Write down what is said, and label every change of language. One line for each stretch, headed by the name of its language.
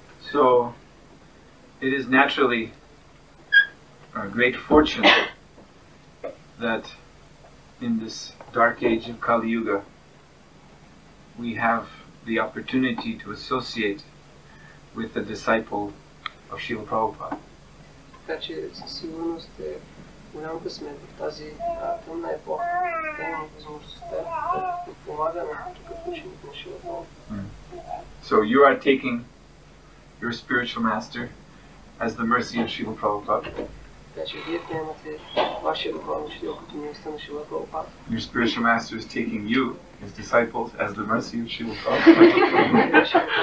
English: So it is naturally a great fortune that in this dark age of Kali Yuga we have the opportunity to associate with the disciple of Srila Prabhupada.
Bulgarian: Така че със сигурност е голям късмет в тази тъмна епоха, да имаме възможността да подпомагаме тук ученик на Шрила Прабхупада.
English: So you are taking your spiritual master as the mercy of Srila Prabhupada.
Bulgarian: Така че вие приемате вашия духовен учител като милостта на Шрила Прабхупада.
English: Your spiritual master is taking you, his disciples, as the mercy of Srila Prabhupada.